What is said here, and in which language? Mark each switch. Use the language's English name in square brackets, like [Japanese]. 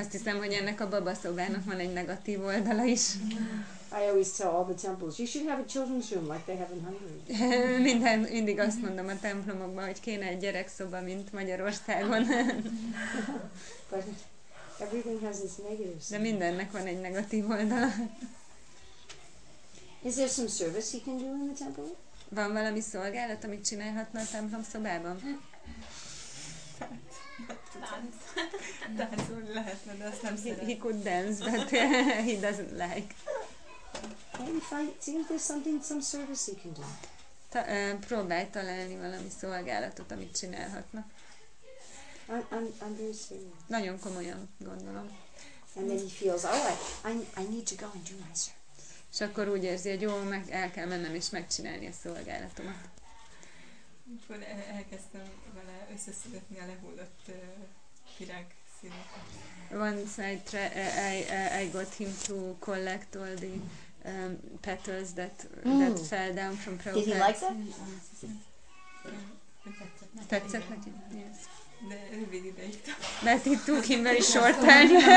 [Hungarian] Azt hiszem, hogy ennek a babaszobának van egy negatív oldala is. [English] I always tell all the temples, you should have a children's room like they have in Hungary. [Hungarian] Mindig azt mondom a templomokban, hogy kéne egy gyerekszoba, mint Magyarországon. [English] But everything has its negative side. [Hungarian] De mindennek van egy negatív oldala. [English] Is there some service he can do in the temple? [Hungarian] Van valami szolgálat, amit csinálhatna a templom szobában? [English] He could dance, but he doesn't like. Maybe see if there's something, some service he can do. [Hungarian] Próbálj találni valami szolgálatot, amit csinálhatna. [English] I'm very serious. [Hungarian] Nagyon komolyan gondolom. [English] And then he feels, I need to go and do my service. [Hungarian] És akkor úgy érzi, hogy jó, meg el kell mennem és megcsinálni a szolgálatomat. Akkor elkezdtem vele összeszedni a lehullott virág színeket. [English] Once I got him to collect all the petals that fell down from Prabhupada. Did he like that? [Hungarian] Tetszett neki? [English] Yes. [Hungarian] De rövid ideig. [English] But it took him very short time.